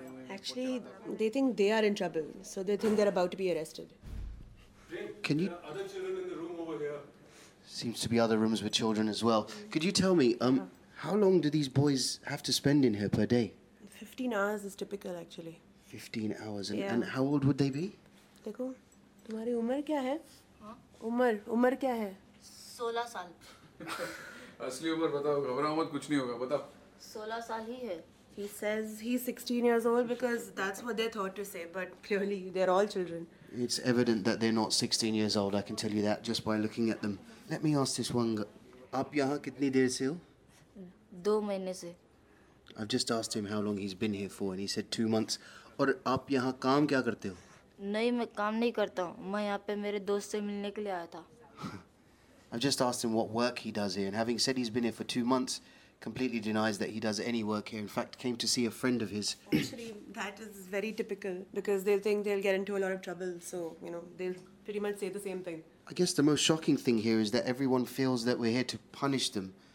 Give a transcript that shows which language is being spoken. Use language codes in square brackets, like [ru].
[en] Actually, they think they are in trouble, so they think they're about to be arrested. Can you? There are other children in the room over here. Seems to be other rooms with children as well. Could you tell me, how long do these boys have to spend in here per day? 15 hours is typical, actually. 15 hours, and how old would they be? [hi] देखो, तुम्हारी उम्र क्या है? उम्र क्या है? 16 साल. असली उम्र बताओ, घबराओ मत, कुछ नहीं होगा, बताओ. 16 साल ही है. [en] He says he's 16 years old because that's what they thought to say, but clearly they're all children. It's evident that they're not 16 years old, I can tell you that just by looking at them. Let me ask this one. [hi] Aap yahan kitni der se ho? 2 mahine se. [en] I've just asked him how long he's been here for and he said 2 months. [hi] Aur aap yahan kaam kya karte ho? नहीं, मैं काम नहीं करता who. मैं यहाँ पे मेरे दोस्त से मिलने के लिए आया था. [en] I've just asked him what work he does here and having said he's been here for 2 months, completely denies that he does any work here. In fact, came to see a friend of his. Actually, that is very typical, because they think they'll get into a lot of trouble. So, you know, they'll pretty much say the same thing. I guess the most shocking thing here is that everyone feels that we're here to punish them.